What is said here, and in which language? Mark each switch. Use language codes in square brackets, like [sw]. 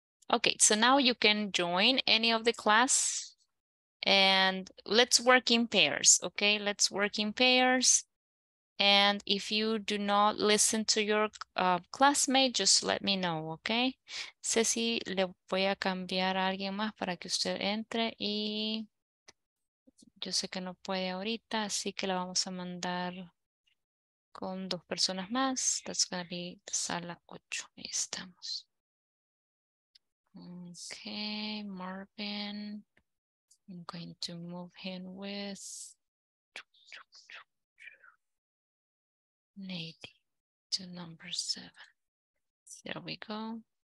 [en] Okay, so now you can join any of the class and let's work in pairs, okay? Let's work in pairs. And if you do not listen to your classmate, just let me know, okay? [es] Ceci, le voy a cambiar a alguien más para que usted entre y yo sé que no puede ahorita, así que la vamos a mandar con dos personas más. [en] That's gonna be [es] sala 8, ahí estamos. [en] Okay, Marvin, I'm going to move him with Nate to number 7. There we go.